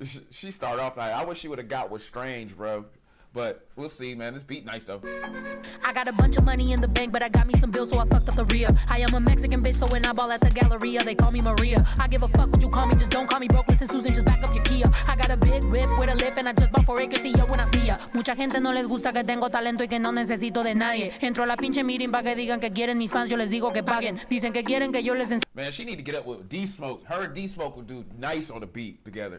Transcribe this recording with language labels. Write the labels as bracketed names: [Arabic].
[English] She started off like, I wish she would have got with Strange, bro. But we'll see, man. This beat nice, though. I got a bunch of money in the bank, but I got me some bills, so I fucked up the rear. I am a Mexican bitch, so when I ball at the Galleria, they call me Maria. I give a fuck what you call me, just don't call me broke. Listen, Susan, just back up your Kia. I got a big whip with a lift, and I just bought 4 acres, see ya when I see ya. [Spanish] Mucha gente no les gusta que tengo talento y que no necesito de nadie. Entro a la pinche meeting para que digan que quieren mis fans, yo les digo que paguen. Dicen que quieren que yo les [English] Man, she need to get up with D-Smoke. Her and D-Smoke would do nice on a beat together.